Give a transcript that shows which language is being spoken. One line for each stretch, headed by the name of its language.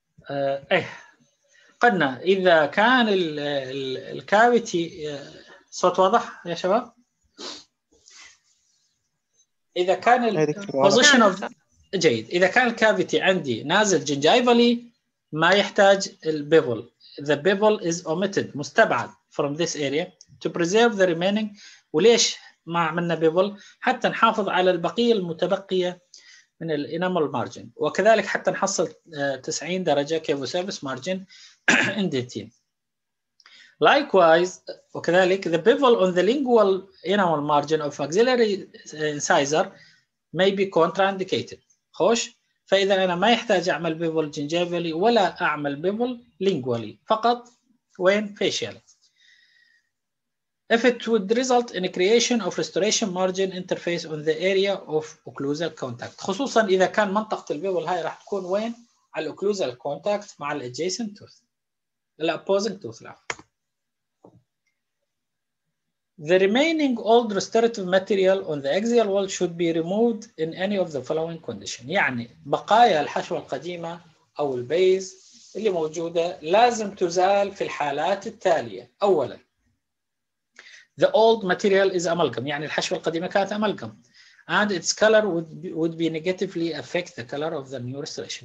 Arabic: ايه قلنا اذا كان الكافيتي صوت واضح يا شباب؟ اذا كان البوزيشن اوف جيد اذا كان الكافيتي عندي نازل جنجايفالي ما يحتاج البيفل.
English: The bevel is omitted
Arabic: مستبعد
English: from this area to preserve the remaining.
Arabic: وليش ما عملنا بيفل؟ حتى نحافظ على البقية المتبقية من الـ enamel margin وكذلك حتى نحصل 90 درجة كيفوسيرفيس مارجن انديتين.
English: Likewise
Arabic: وكذلك
English: the bevel on the lingual enamel margin of axillary incisor may be contraindicated.
Arabic: خوش فإذا أنا ما يحتاج أعمل بيفل جنجيفالي ولا أعمل بيفل لينجوالي فقط وين فيشيال.
English: If it would result in creation of restoration margin interface on the area of occlusal contact
Arabic: خصوصا إذا كان منطقة البيفل هاي راح تكون وين
English: على occlusal contact مع الـ adjacent tooth الـ opposing tooth. The remaining old restorative material on the axial wall should be removed in any of the following conditions.
Arabic: يعني بقايا الحشوة القديمة أو البيز اللي موجودة لازم تزال في الحالات التالية. أولا
English: the old material is amalgam
Arabic: يعني الحشوة القديمة كانت
English: amalgam and its color would be negatively affect the color of the new restoration.